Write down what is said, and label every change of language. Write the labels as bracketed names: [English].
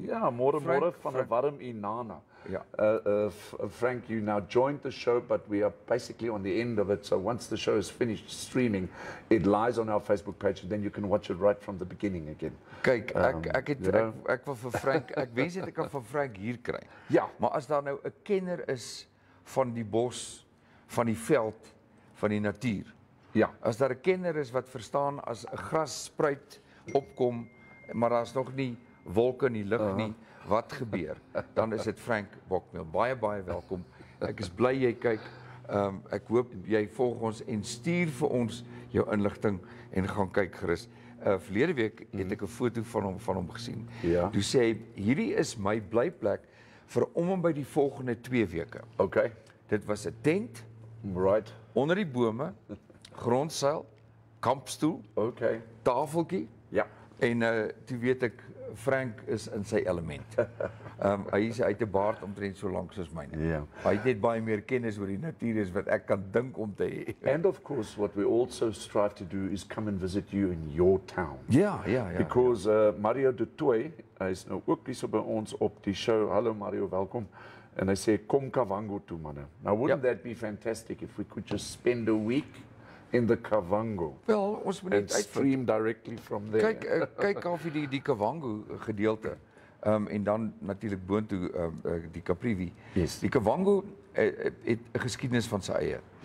[Afrikaans] Ja, môre van 'n warm Inanna. Ja. [English] Frank, you now joined the show, but we are basically on the end of it. So once the show is finished streaming, it lies on our Facebook page, and then you can watch it right from the beginning again. [Afrikaans] Kyk, ek wil vir Frank, ek wens net ek kan van Frank hier kry. Ja. Maar as daar nou 'n kenner is van die bos, van die veld, van die natuur. Ja. As daar 'n kenner is wat verstaan as 'n gras spruit opkom, maar daar's nog nie wolke in die lug nie, wat gebeur? Dan is dit Frank Bokmuhl. Baie baie welkom. Ek is bly jy kyk. Ek hoop jy volg ons en stuur vir ons jou inligting en gaan kyk gerus. verlede week het ek 'n foto van hom gesien. Ja. Toe sê hy, hierdie is my blyplek vir om en by die volgende 2 weke. Okay. Dit was 'n tent. Right. Onder die bome, grondseil, kampstoel. Okay. Tafeltjie. Ja. En toe weet ek, Frank is in sy element. Hy het 'n baard omtrent so lank soos myne. Ja. Yeah. Hy het net baie meer kennis oor die natuur as wat ek kan dink om te hê. [English] And of course what we also strive to do is come and visit you in your town. [Afrikaans] Ja. Because Mario de Toy is nou ook hier so by ons op die show. Hallo Mario, welkom. [English] And I say [Afrikaans] kom Kavango toe manne. [English] Now wouldn't that be fantastic if we could just spend a week in the Kavango. [Afrikaans] Well, ons moet net [English] stream directly from there. [Afrikaans] Kyk af hier die Kavango gedeelte. En dan natuurlik boontoe die Kaprivi. [English] Yes. [Afrikaans] Die Kavango het 'n geskiedenis van sy eie.